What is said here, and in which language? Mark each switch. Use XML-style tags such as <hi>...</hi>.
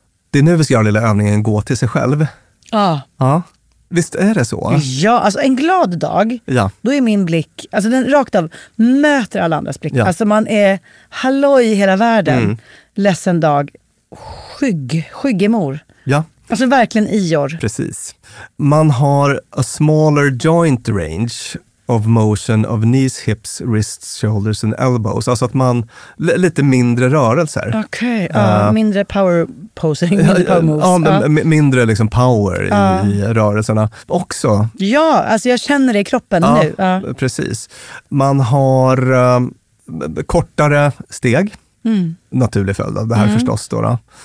<sv>Det är nu vi ska göra lilla övningen, gå till sig själv. Ja. Ja. Visst är det så? Ja, alltså en glad dag, då är min blick, alltså den rakt av möter alla andras blick. Ja. Alltså man är halloj i hela världen, ledsen dag, skyggemor. Ja. Alltså verkligen ior. Precis. Man har</sv> <en>a smaller joint range of motion of knees, hips, wrists, shoulders and elbows.</en> <sv>Alltså att man, lite mindre rörelser. Okej, mindre power posing, mindre power moves. Ja, mindre liksom power i rörelserna också. Ja, alltså jag känner det i kroppen nu. Precis. Man har kortare steg, naturlig följd av det här förstås då.</sv>